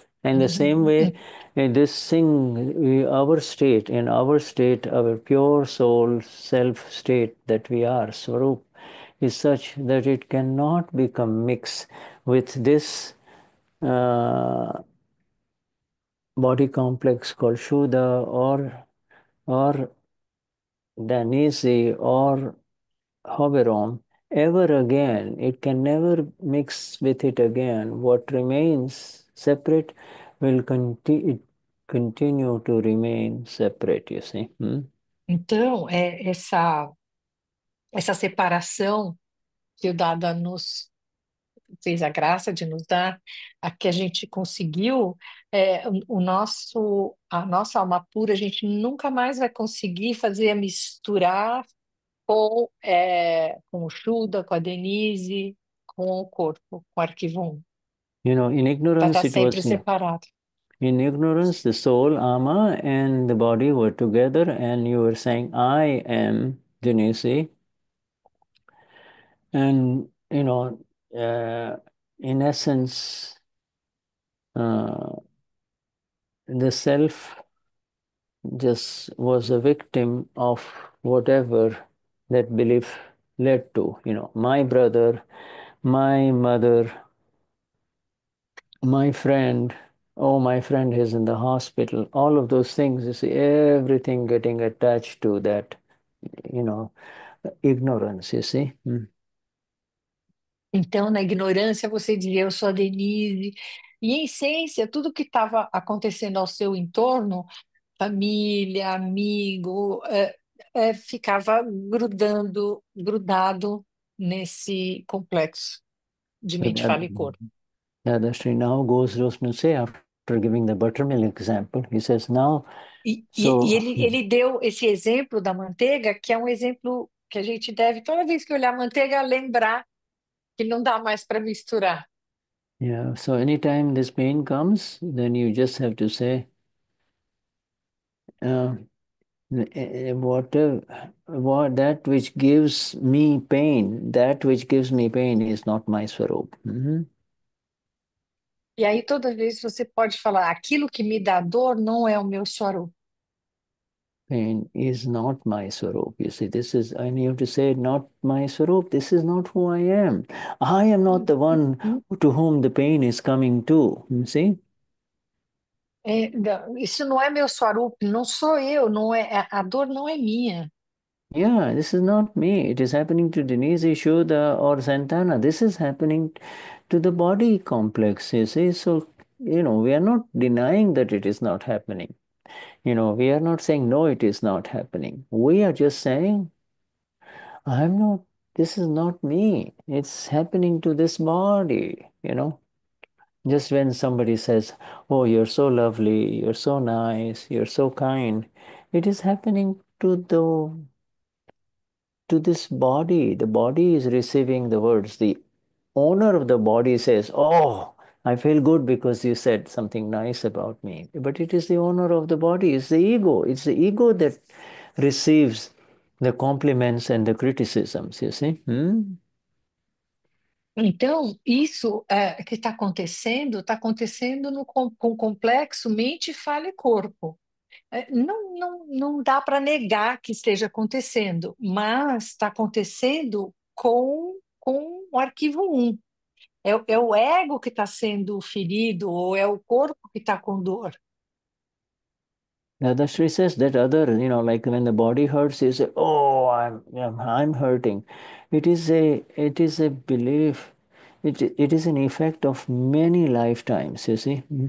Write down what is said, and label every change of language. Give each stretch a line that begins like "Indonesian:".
English: In the same way, in this thing, in our state, our pure soul self state that we are, Swaroop, is such that it cannot become mixed with this body complex called Shuddha or Denize or Hoverom ever again. It can never mix with it again. What remains separate will continue to remain separate, you see.
Portuguese: Então, é essa separação que o Dada nos fez a graça de nos dar, a que a gente conseguiu, a nossa alma pura, a gente nunca mais vai conseguir fazer a misturar com o Shuddha, com a Denize, com o corpo, com o arquivo 1.
English: You know, in
Portuguese: Vai estar
English: ignorance it
Portuguese: sempre
English: was not.
Portuguese: separado.
English: In ignorance, the soul, Ama, and the body were together, and you were saying, I am Denise. And, you know, in essence, the self just was a victim of whatever that belief led to. You know, my brother, my mother, my friend. Oh, my friend is in the hospital. All of those things, you see, everything getting attached to that, you know, ignorance, you see.
Portuguese: Então, na ignorância, você dizia, eu sou a Denise. E, em essência, tudo que estava acontecendo ao seu entorno, família, amigo, ficava grudado nesse complexo de mente, fala e corpo.
English: Dadashri now goes to say after giving the buttermilk example, he says now,
Portuguese: E
English: so
Portuguese: ele deu esse exemplo da manteiga, que é um exemplo que a gente deve, toda vez que olhar a manteiga, lembrar. Que não dá mais para misturar.
English: yeah. So anytime this pain comes, then you just have to say, that which gives me pain, that which gives me pain is not my Swaroop.
Portuguese: E aí, toda vez você pode falar, aquilo que me dá dor não é o meu soro.
English: pain is not my Swaroop. You see, this is, I need to say, not my Swaroop. This is not who I am. I am not the one to whom the pain is coming to. You see?
Portuguese: Isso não é meu Swaroop, não sou eu, não é, a dor não é minha.
English: Yeah, this is not me. It is happening to Denize, Shuddha, or Santana. This is happening to the body complex, you see. So, we are not denying that it is not happening. We are not saying, no, it is not happening. We are just saying, I'm not, this is not me. It's happening to this body, Just when somebody says, oh, you're so lovely, you're so nice, you're so kind, it is happening to the. To this body, the body is receiving the words. The owner of the body says, oh, I feel good because you said something nice about me. But it is the owner of the body, it's the ego. It's the ego that receives the compliments and the criticisms, you see?
Portuguese: Então, isso é, que está acontecendo no com complexo mente, fala e corpo. É, não dá para negar que esteja acontecendo, mas está acontecendo com o arquivo 1. É o ego que está sendo ferido ou é o corpo que está com dor?
English: Dadashri says that other, like when the body hurts, you say, oh, I'm hurting. It is a belief. It is an effect of many lifetimes, you see.